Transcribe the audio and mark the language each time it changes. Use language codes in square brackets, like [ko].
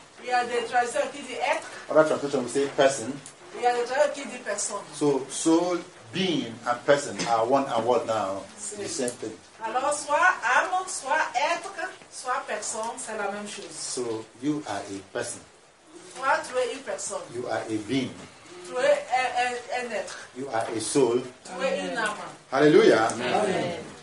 [fr] Il y a des traditions qui disent être. [en] Other traditions will say person. [fr] Il y a des traditions qui disent personne. [en] So soul, being, and person are one and one now. The same thing. [fr] Alors soit âme, soit être, soit personne, c'est la même chose. [en] So you are a person. [fr] Toi, tu es une personne. [en] You are a being. [fr] Tu es un être. [en] You are a soul. [fr] Tu es une âme. [en] Hallelujah. Amen. Amen.